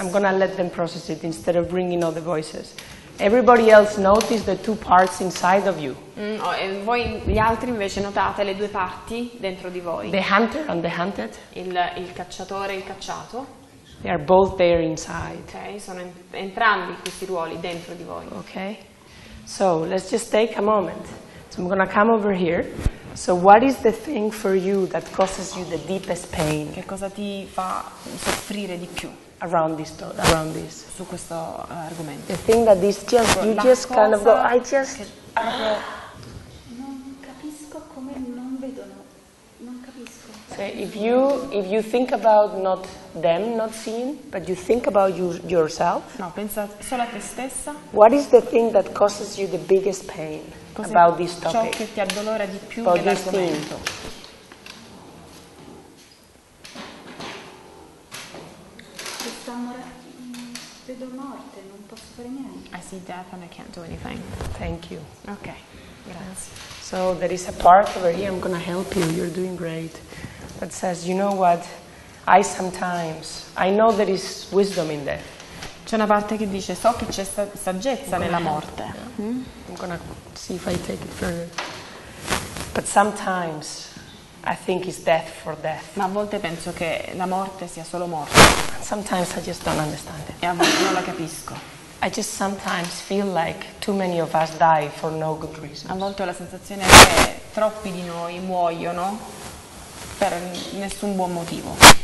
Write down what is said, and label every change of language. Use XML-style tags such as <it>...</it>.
<en>I'm gonna let them process it instead of bringing all the voices. Everybody else notice the two parts inside of you.</en> <it>E voi gli altri invece notate le due parti dentro di voi.</it> <en>The hunter and the hunted.</en> <it>Il cacciatore e il cacciato.</it> <en>They are both there inside.</en> <it>Okay, sono entrambi questi ruoli dentro di voi.</it> <en>Okay. So let's just take a moment. So I'm gonna come over here. So what is the thing for you that causes you the deepest pain?</en> <it>Che cosa ti fa soffrire di più?</it> <en>Around this.</en> <it>Su questo argomento.</it> <en>The thing that is just, you</en> <it>la</it> <en>just kind of go, I just...</en> <it>Non capisco come non vedono, non capisco.</it> <en>So if you think about not them not seeing, but you think about you yourself.</en> <it>No, pensa solo a te stessa.</it> <en>What is the thing that causes you the biggest pain? About this topic.</en> <it>Ciò che ti addolora di più dell'argomento. Questa vedo morte, non posso fare niente.</it> <en>I see death and I can't do anything. Thank you.</en> <it>Okay. Grazie.</it> <en>So there is a part over here. I'm gonna help you. You're doing great. That says, you know what? I sometimes I know there is wisdom in death.</en> <it>C'è una parte che dice so che c'è saggezza nella morte.</it> <en>I'm gonna see if I take it further. But sometimes I think it's death for death.</en> <it>Ma a volte penso che la morte sia solo morte.</it> <en>Sometimes I just don't understand it.</en> <it>E a volte non la capisco.</it> <en>I just sometimes feel like too many of us die for no good reason.</en> <it>A volte ho la sensazione che troppi di noi muoiono per nessun buon motivo.</it>